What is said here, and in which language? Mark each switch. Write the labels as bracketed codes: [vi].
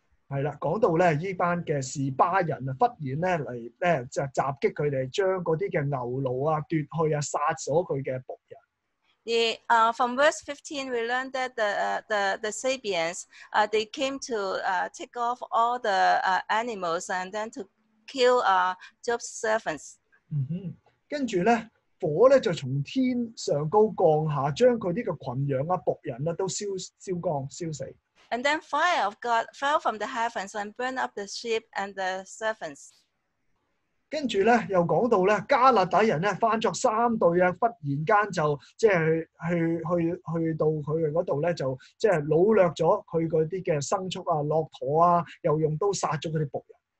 [yue] 係啦，講到咧，依班嘅示巴人啊，忽然咧嚟咧就襲擊佢哋，將嗰啲嘅牛奴啊奪去啊，殺咗佢嘅仆人。 [en] From verse 15, we learned that the Sabians they came to take off all the animals and then to kill Job's servants. [yue] 跟住咧。火咧就從天上高降下，將佢啲嘅羣羊啊、仆人啊都燒光、燒死。 [en] And then fire of God fell from the heavens and burned up the sheep and the servants. [yue] 跟住咧又講到咧，加勒底人咧翻作三隊啊，忽然間就即係去到佢哋嗰度咧，就即係掳掠咗佢嗰啲嘅牲畜啊、駱駝啊，又用刀殺咗佢啲仆人。